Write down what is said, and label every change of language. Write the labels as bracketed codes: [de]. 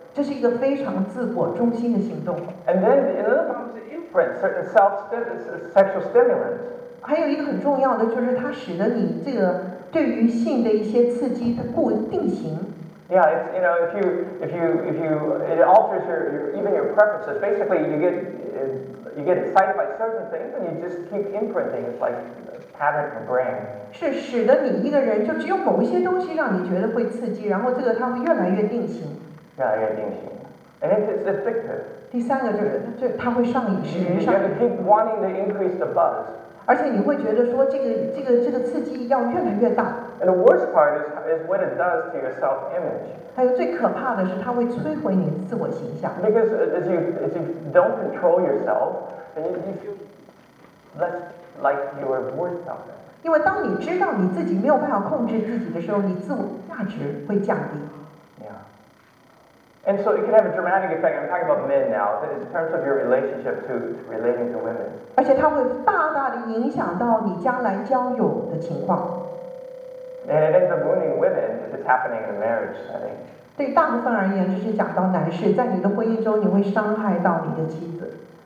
[zh] 这是一个非常自我中心的行动。 [en] And then another problem is it for instance, certain sexual stimulants. [zh] 还有一个很重要的就是它使得你这个对于性的一些刺激它不定型。 [en] Yeah, it's, you know, if you it alters your preferences. Basically, you get excited by certain things, and you just keep imprinting. It's like pattern in your brain. [zh] 是使得你一个人就只有某一些东西让你觉得会刺激，然后这个它会越来越定型。越来越定型。 [en] And it's addictive. [zh] 第三个就是它会上瘾，使人上瘾。 [en] You keep wanting to increase the buzz. [zh] 而且你会觉得说这个刺激要越来越大。 [en] And the worst part is what it does to your self-image. [zh] 还有最可怕的是，它会摧毁你自我形象。 [en] Because as you don't control yourself, then you feel less like you are worth something. [zh] 因为当你知道你自己没有办法控制自己的时候，你自我价值会降低。 [en] Yeah. And so it can have a dramatic effect. I'm talking about men now, in terms of your relationship to relating to women. [zh] 而且它会大的影响到你将来交友的情况。 [en] And it ends up ruining women if it's happening in a marriage setting. [zh] 对大部分而言，这是讲到男士在你的婚姻中，你会伤害到你的妻子。